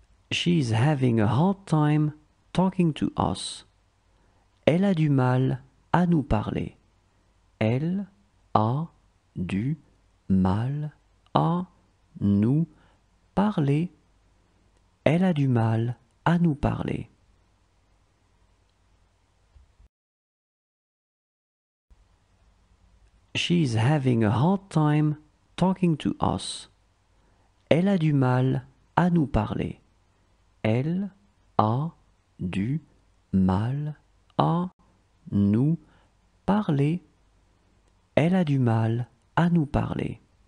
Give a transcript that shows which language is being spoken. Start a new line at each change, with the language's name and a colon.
English: She is having a hard time talking to us.
French: Elle a du mal à nous parler. Elle a du mal à nous parler. Elle a du mal à nous parler.
English: She is having a hard time talking to us.
French: Elle a du mal à nous parler. Elle a du mal à nous parler. Elle a du mal à nous parler.